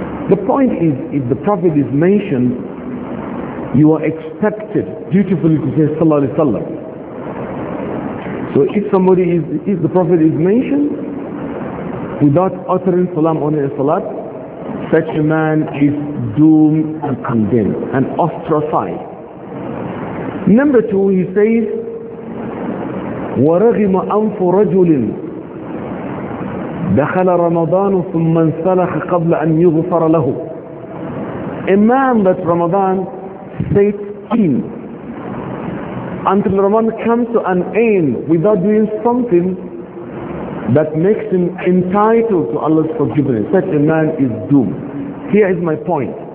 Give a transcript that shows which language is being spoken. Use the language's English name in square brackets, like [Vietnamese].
[English] The point is, if the Prophet is mentioned, you are expected dutifully to say Sallallahu Alaihi Wasallam. So if the Prophet is mentioned without uttering salam on his salat, such a man is doomed and condemned and ostracized. Number two, he says, [Arabic] وَرَغِمَ أَنْفُ رَجُلٍ دخل رمضان ثم انسلخ قبل أن يغفر له. [English] A man that Ramadan stayed in until Ramadan comes to an end without doing something that makes him entitled to Allah's forgiveness, such a man is doomed. Here is my point.